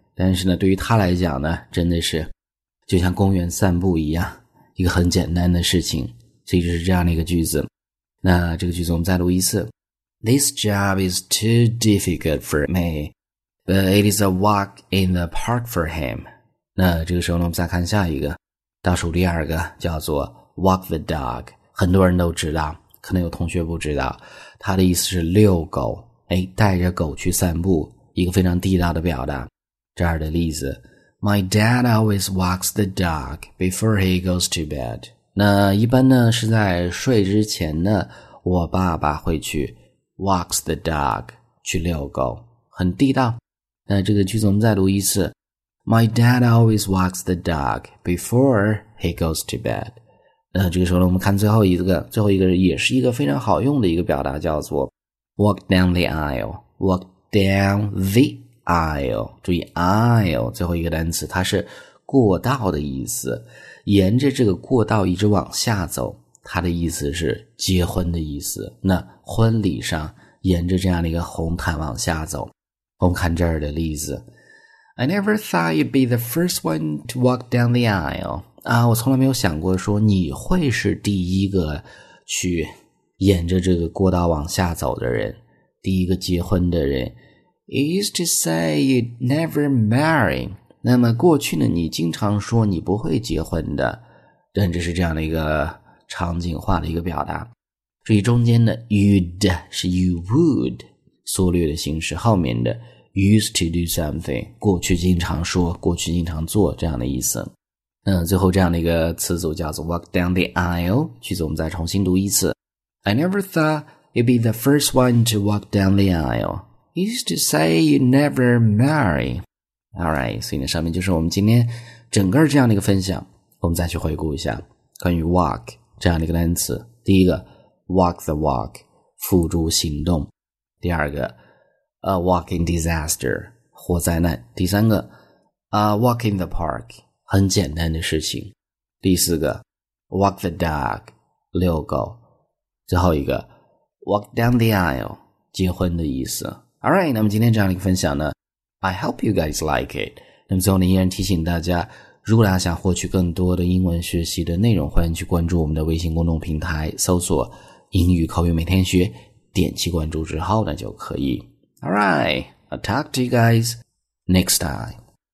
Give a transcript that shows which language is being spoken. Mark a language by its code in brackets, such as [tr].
[zh] 但是呢，对于他来讲呢，真的是就像公园散步一样，一个很简单的事情。所以就是这样的一个句子。那这个句子我们再读一次。 [en] This job is too difficult for me. But it is a walk in the park for him. [zh] 那这个时候呢，我们再看下一个。倒数第二个叫做 [en] walk the dog。 [zh] 很多人都知道。可能有同学不知道，他的意思是遛狗，带着狗去散步，一个非常地道的表达。这儿的例子 [en] ，My dad always walks the dog before he goes to bed。 [zh] 那一般呢是在睡之前呢，我爸爸会去 [en] walks the dog [zh] 去遛狗，很地道。那这个句子我们再读一次 [en] ，My dad always walks the dog before he goes to bed。 [zh] 这个时候呢，我们看最后一个，最后一个也是一个非常好用的一个表达，叫做 [en] walk down the aisle， [zh] walk down the aisle， 注意 aisle 最后一个单词，它是过道的意思，沿着这个过道一直往下走，它的意思是结婚的意思。那婚礼上沿着这样的一个红毯往下走，我们看这儿的例子。 [en] I never thought you'd be the first one to walk down the aisle. [zh] 我从来没有想过说你会是第一个去沿着这个过道往下走的人，第一个结婚的人。 [en] You used to say you'd never marry. [zh] 那么过去呢，你经常说你不会结婚的，但这是这样的一个场景化的一个表达。所以中间的 you'd 是 you would 缩略的形式，后面的 [en] used to do something, [zh] 过去经常说，过去经常做，这样的意思。最后这样的一个词组叫做 [en] walk down the aisle, [zh] 句子我们再重新读一次。 [en] I never thought you'd be the first one to walk down the aisle. You used to say you'd never marry. [zh] Alright, 所以呢，上面就是我们今天整个这样的一个分享。我们再去回顾一下关于 walk 这样的一个单词。第一个 [en] walk the walk, [zh] 付诸行动。第二个 [en] A walking disaster, [zh] 火灾难。第三个 , [en] A walk in the park, [zh] 很简单的事情。第四个 , [en] Walk the dog, [zh] 遛狗。最后一个 , [en] Walk down the aisle, [zh] 结婚的意思。 Alright, 那么今天这样的一个分享呢 , [en] I hope you guys like it. [zh] 那么最后呢，依然提醒大家，如果大家想获取更多的英文学习的内容，欢迎去关注我们的微信公众平台，搜索英语口语每天学，点击关注之后呢就可以。 [en] Alright, I'll talk to you guys next time.